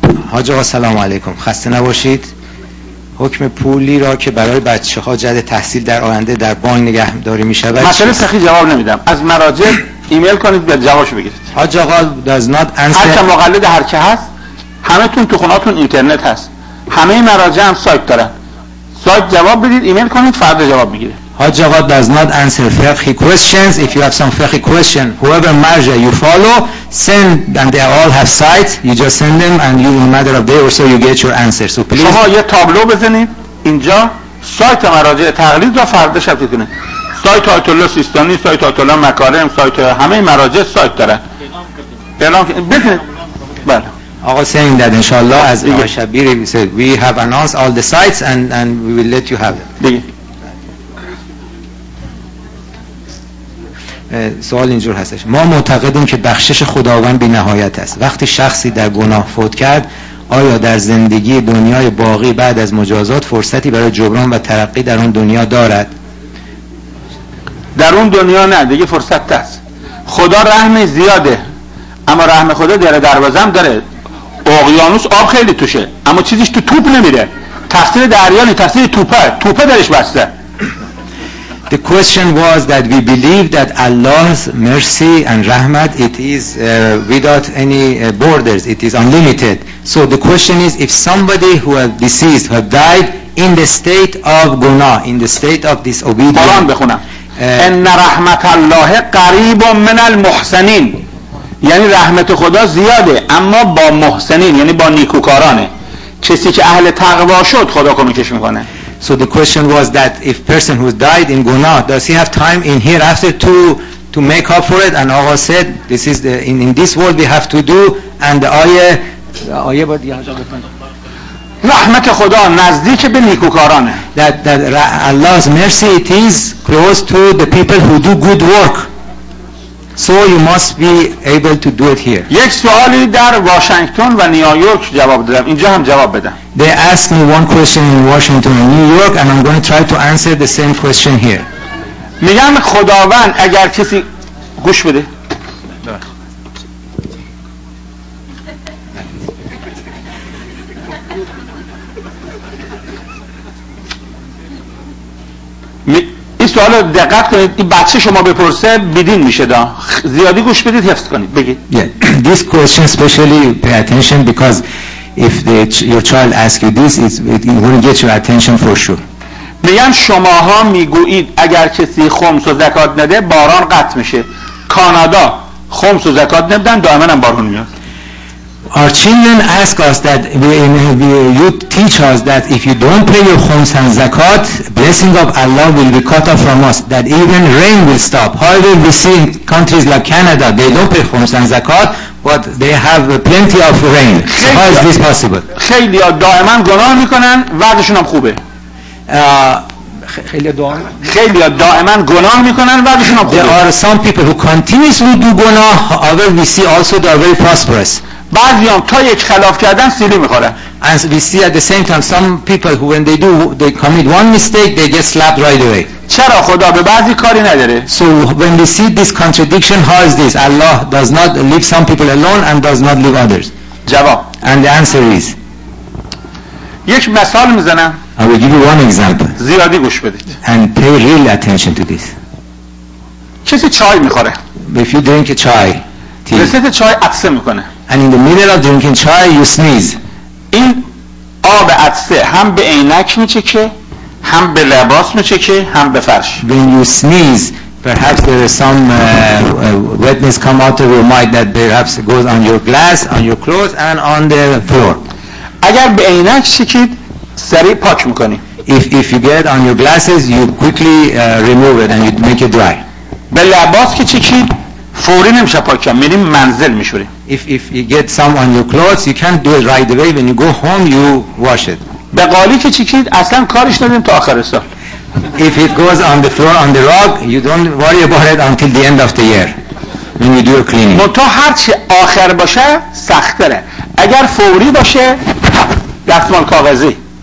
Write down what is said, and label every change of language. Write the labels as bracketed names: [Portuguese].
[Persian] حاج آقا سلام علیکم، خسته نباشید. حکم پولی را که برای بچه ها جد تحصیل در آینده در بانک نگهداری می شود مسئله سخی جواب نمیدم. از مراجع ایمیل کنید به جوابش بگیرید. [English] حاج آقا does not answer. [Persian] هر که مقلد هر که هست، همه تون تو خوناتون اینترنت هست، همه مراجع هم سایت دارن، سایت جواب بدید، ایمیل کنید، فردا جواب میگیره. [English] حاج آقا does not answer fiqhi questions. If you have some fiqhi question, whoever مرجع you follow, send, and they all have sites, you just send them, and you, in a matter of day or so, you get your answer. So please. [Persian] شما یه تابلو بزنید اینجا سایت مراجع تقلید را فردا شب بزنید. سایت آیت الله سیستانی، سایت آیت الله مکارم، سایت همه مراجع سایت داره. اعلام بله. [English] آقا saying that [Persian] انشاءالله از آقا شبیر [English] said we have announced all the sites and we will let you have it. [Persian] سوال اینجور هستش. ما معتقدیم که بخشش خداوند بی نهایت است. وقتی شخصی در گناه فوت کرد، آیا در زندگی دنیای باقی بعد از مجازات فرصتی برای جبران و ترقی در اون دنیا دارد؟ در اون دنیا نه، دیگه فرصت هست. خدا رحم زیاده، اما رحم خدا داره دروازه هم داره. اقیانوس آب خیلی توشه، اما چیزیش تو توپ نمیره. تقصیر دریانی، تقصیر توپه درش بسته. [English] The question was that we believe that Allah's mercy and rahmat, it is without any borders, it is unlimited. So the question is, if somebody who has deceased, who has died in the state of guna, in the state of disobedience. [Persian] قرآن بخونم. [Arabic] اِنَّ رَحْمَةَ اللَّهِ قَرِيبٌ مِنَ الْمُحْسَنِينَ. [Persian] یعنی رحمت خدا زیاده اما با محسنین، یعنی با نیکوکارانه. کسی که اهل تقوا شد خدا کمکش میکنه. [English] So the question was that if person who died in guna, does he have time in hereafter to make up for it? And Allah said, this is the, in this world we have to do. And the ayah [Persian] but rahmat khoda nazdik be nikukaran, [English] that Allah's mercy, it is close to the people who do good work. So you must be able to do it here. [Persian] یک سوالی در واشنگتن و نیویورک جواب دادم. اینجا هم جواب بدم. [English] They asked me one question in Washington and New York, and I'm going to try to answer the same question here. [Persian] میگم خداوند اگر کسی گوش بده. این سوال رو دقت کنید، این بچه شما بپرسه بدین میشه دا. زیادی گوش بدید حفظ کنید. بگید. [English] Yeah. This question especially pay attention, because if your child asks you this, it won't get your attention for sure. [Persian] میگن شماها میگویید اگر کسی خمس و زکات نده باران قطع میشه. کانادا خمس و زکات نمیدن، دائما هم باران میاد. [English] Our children ask us that you teach us that if you don't pay your khums and zakat, blessing of Allah will be cut off from us, that even rain will stop. However, we see countries like Canada, they don't pay khums and zakat, but they have plenty of rain. So how is this possible? [Persian] خیلی ها دائما گناه میکنن، وضعشون هم خوبه. خیلی دائما گناه میکنن و وضعشون هم خوبه. [English] There are some people who continuously do guna, however we see also they are very prosperous. [Persian] بعضی هم تا یک خلاف کردن سیلی میخوره. [English] And we see at the same time some people who when they commit one mistake, they get slapped right away. [Persian] چرا خدا به بعضی کاری نداره؟ [English] So when we see this contradiction, how is this? Allah does not leave some people alone and does not leave others. [Persian] جواب. [English] And the answer is. [Persian] یک مثال میزنم. [English] I will give you one example. [Persian] زیادی گوش بدید. [English] And pay real attention to this. [Persian] کسی چای میخوره. [English] If you drink a chai, tea. [Persian] وسط چای عطسه میکنه. [English] And in the middle of drinking chai, you sneeze. [Persian] این آب عطسه هم به عینک میچکه، هم به لباس میچکه، هم به فرش. [English] When you sneeze, perhaps there is some wetness come out of your mind that perhaps goes on your glass, on your clothes, and on the floor. [Persian] اگر به عینک چکید، سریع پاک میکنی. [English] If you get on your glasses, you quickly remove it and you make it dry. [Persian] به لباس که چکید، فوری نمیشه پاک کنم، میریم منزل میشوریم. [English] If you get some on your clothes, you can't do it right away. When you go home, you wash it. [Persian] به قالی که چکید، اصلا کارش نداریم تا آخر سال. [English] If it goes on the floor, on the rug, you don't worry about it until the end of the year. When you do your cleaning. [Persian] منتها هرچی آخر باشه، سخت‌تره. اگر فوری باشه، دستمال کاغذی.